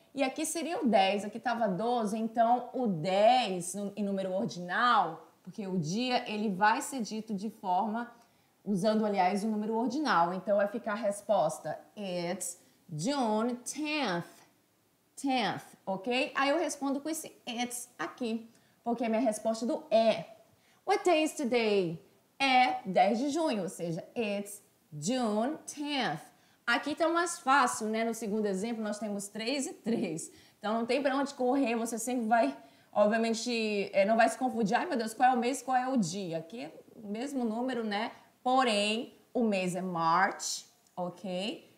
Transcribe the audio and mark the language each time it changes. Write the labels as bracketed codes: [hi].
[pt] E aqui seria o 10, aqui estava 12, então o 10 em número ordinal, porque o dia ele vai ser dito de forma, usando aliás o número ordinal. Então vai ficar a resposta, [en] it's June 10th, 10th, [pt] ok? Aí eu respondo com esse it's aqui. Porque a minha resposta do é. [en] What day is today? [pt] É 10 de junho, ou seja, [en] it's June 10th. [pt] Aqui está mais fácil, né? No segundo exemplo, nós temos 3 e 3. Então, não tem para onde correr, você sempre vai obviamente, não vai se confundir. Ai, meu Deus, qual é o mês, qual é o dia? Aqui é o mesmo número, né? Porém, o mês é March, ok?